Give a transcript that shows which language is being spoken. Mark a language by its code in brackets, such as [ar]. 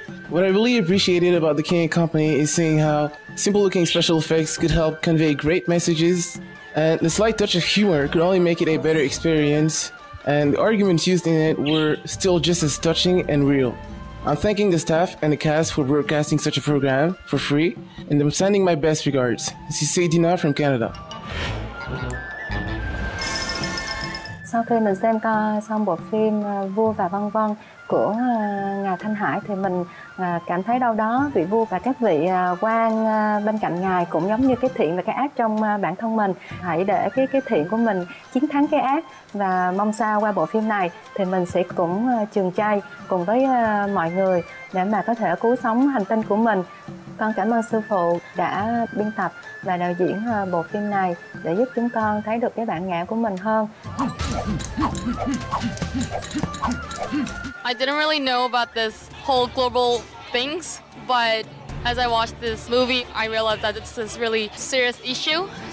[en] What I really appreciated about the King & Company is seeing how simple-looking special effects could help convey great messages, and the slight touch of humor could only make it a better experience, and the arguments used in it were still just as touching and real. I'm thanking the staff and the cast for broadcasting such a program for free, and I'm sending my best regards. This is Sadina from Canada. [vi] Sau khi mình xem coi xong bộ phim Vua và Văn Vân của Ngài Thanh Hải thì mình cảm thấy đâu đó vị vua và các vị quan bên cạnh ngài cũng giống như cái thiện và cái ác trong bản thân mình. Hãy để cái thiện của mình chiến thắng cái ác, và mong sao qua bộ phim này thì mình sẽ cũng trường chay cùng với mọi người để mà có thể cứu sống hành tinh của mình. Con cảm ơn sư phụ đã biên tập và đạo diễn bộ phim này để giúp chúng con thấy được cái bản ngã của mình hơn. [en] I didn't really know about this whole global things, but as I watched this movie, I realized that it's this really serious issue.